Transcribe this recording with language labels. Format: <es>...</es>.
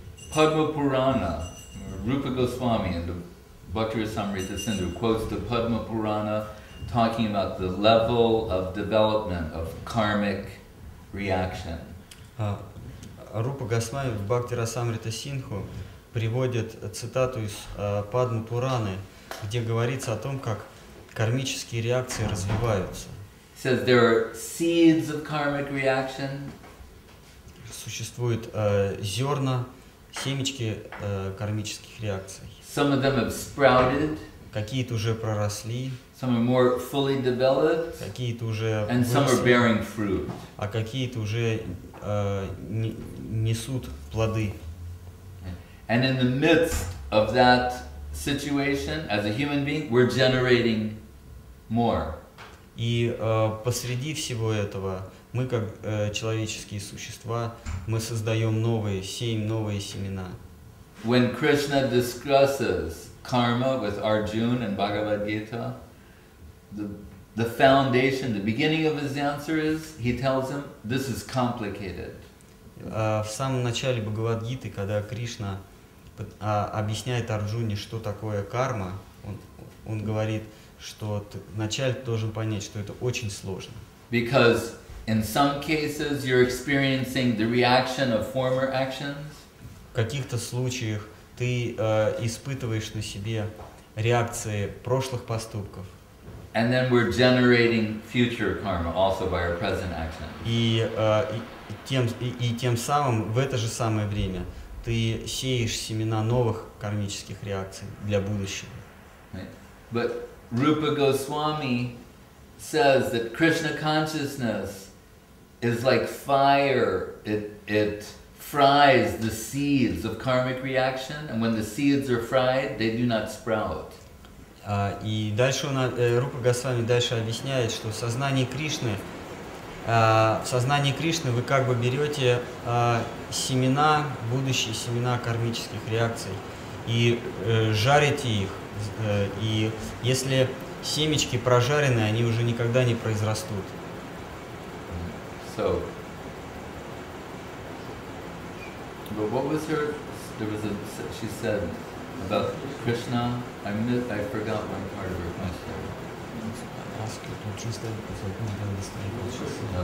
<en>Padma Purana, Rupa Goswami in the Bhakti Rasamrita Sindhu quotes the Padma Purana talking about the level of development of karmic reaction.</en> <ru>Rupa Goswami в Bhakti Rasamrita Sindhu приводит цитату из Padma Purana, где говорится о том, как кармические реакции развиваются.</ru> <en>It says there are seeds of karmic reaction.</en> <ru>Существуют зерна, семечки кармических реакций.</ru> <en>Some of them have sprouted,</en> <ru>какие-то уже проросли,</ru> <en>some are more fully developed,</en> <ru>какие-то уже</ru> <en>and</en> <ru>выросли,</ru> <en>some are bearing fruit.</en> <ru>А какие-то уже несут плоды.</ru> <en>And in the midst of that situation, as a human being, we're generating more.</en> <ru>И посреди всего этого мы, как человеческие существа, мы создаем новые семена.</ru> <en>When Krishna discusses karma with Arjuna in Bhagavad Gita, the foundation, the beginning of his answer is, he tells him, this is complicated.</en> <ru>В самом начале Бхагавад Гиты, когда Кришна объясняет Арджуне, что такое карма, он говорит, что вначале ты должен понять, что это очень сложно.</ru> <en>Because in some cases you're experiencing the reaction of former actions.</en> <ru>В каких-то случаях ты испытываешь на себе реакции прошлых поступков.</ru> <en>And then we're generating future karma also by our present actions.</en> <ru>И тем самым в это же самое время ты сеешь семена новых кармических реакций для будущего.</ru> <en>Right. But Rupa Goswami says that Krishna consciousness is like fire. It fries the seeds of karmic reaction, and when the seeds are fried, they do not sprout.</en> <ru>И дальше он, Рупа Госвами дальше объясняет, что в сознании Кришны вы как бы берете семена, будущие семена кармических реакций, и жарите их, и если семечки прожарены, они уже никогда не произрастут.</ru> <en>So, but what was her, there was a, she said about Krishna, I forgot one part of her question. Ask it, what she said, because I couldn't understand what she said.</en>